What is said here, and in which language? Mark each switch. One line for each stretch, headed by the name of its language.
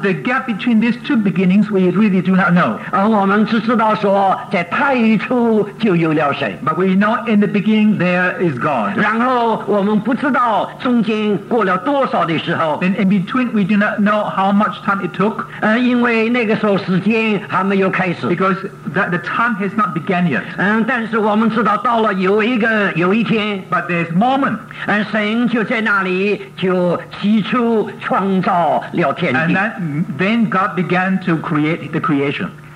English: the gap between these two beginnings we really do not know.
Chinese: 而我们只知道说在太初就有了神,
English: but we know in the beginning there is God.
Chinese: 然后我们不知道中间过了多少的时候,
English: and in between we do not know how much time it took.
Chinese: 因为那个时候时间还没有开始,
English: because that the time has not begun yet.
Chinese: 但是我们知道到了有一天,
English: but there's moment,
Chinese: 神就在那里
English: And then God began to create the creation.